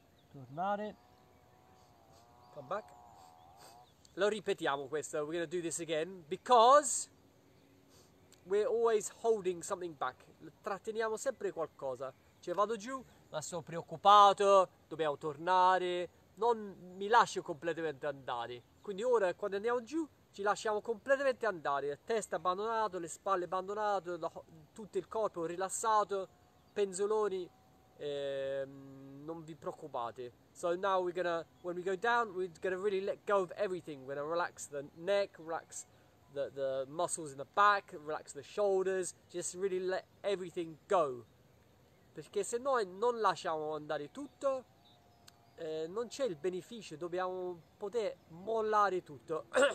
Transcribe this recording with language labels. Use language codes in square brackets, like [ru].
[it] Tornare. [en] Come back. [it] Lo ripetiamo questo. [en] We're gonna do this again because we're always holding something back. [it] Tratteniamo sempre qualcosa. Cioè vado giù, ma sono preoccupato, dobbiamo tornare, non mi lascio completamente andare. Quindi ora quando andiamo giù ci lasciamo completamente andare, testa abbandonata, le spalle abbandonate, tutto il corpo rilassato, penzoloni, non vi preoccupate. [en] So now we're gonna, when we go down, we're gonna really let go of everything. We're gonna relax the neck, relax the muscles in the back, relax the shoulders, just really let everything go. [it] Perché se noi non lasciamo andare tutto, non c'è il beneficio, dobbiamo poter mollare tutto.